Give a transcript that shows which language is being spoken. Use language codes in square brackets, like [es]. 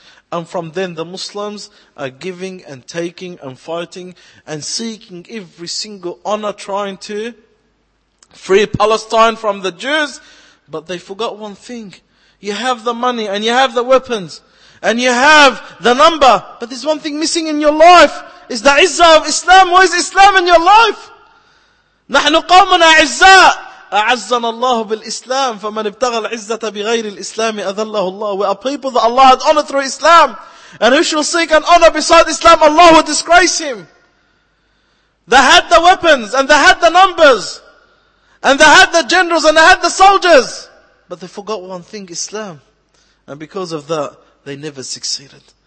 [en] And from then the Muslims are giving and taking and fighting and seeking every single honor, trying to free Palestine from the Jews. But they forgot one thing. You have the money and you have the weapons and you have the number. But there's one thing missing in your life. Is the izzah of Islam. Where is Islam in your life? [ar] نحن قومنا عزاء أعزنا الله بالإسلام فمن ابتغى العزة بغير الإسلام أذله الله. [en] We are people that Allah had honored through Islam. And who shall seek an honor beside Islam, Allah will disgrace him. They had the weapons and they had the numbers. And they had the generals and they had the soldiers. But they forgot one thing, Islam. And because of that, they never succeeded.